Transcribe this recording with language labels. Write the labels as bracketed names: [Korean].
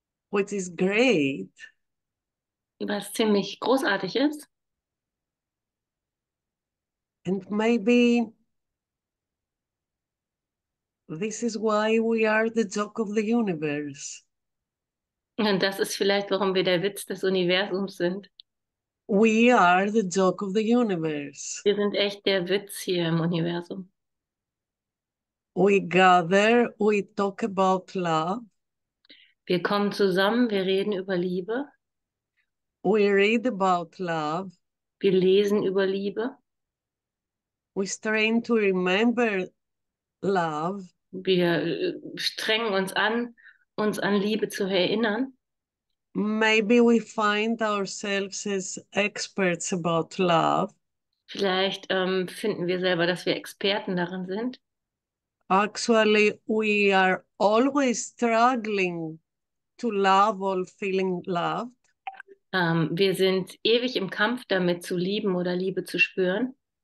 [English] Which is great. [German] Was ziemlich großartig ist. [English] And maybe this is why we are the joke of the universe. [German] Und das ist vielleicht, warum wir der Witz des Universums sind. [English] We are the joke of the universe. [German] Wir sind echt der Witz hier im Universum. [English] We gather, we talk about love. [German] Wir kommen zusammen, wir reden über Liebe. [English] We read about love. [German] Wir lesen über Liebe. [English] We strain to remember love. [German] Wir strengen uns an Liebe zu erinnern. [English] Maybe we find ourselves as experts about love. [German] Vielleicht finden wir selber, dass wir Experten darin sind. [English] Actually, we are always struggling to love or feeling loved. [German] Wir sind ewig im Kampf damit, zu lieben oder Liebe zu spüren,